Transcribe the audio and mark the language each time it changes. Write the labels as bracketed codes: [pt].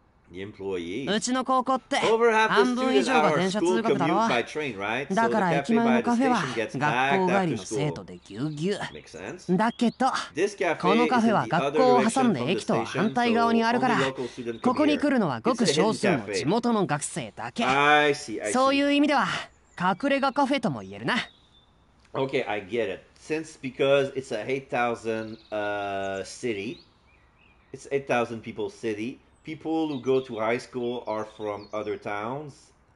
[en] The employees. Over half the students at our school commute by train, right? So the cafe by the station gets packed after school. Makes sense. This cafe is in the other direction from the station, so only local students come here. It's a hidden cafe. I see, I see. [ja] そういう意味では隠れ家カフェとも言えるな。 [en] Okay, I get it. Since because it's a 8,000 city, it's 8,000 people city. People who go to high school are from other towns.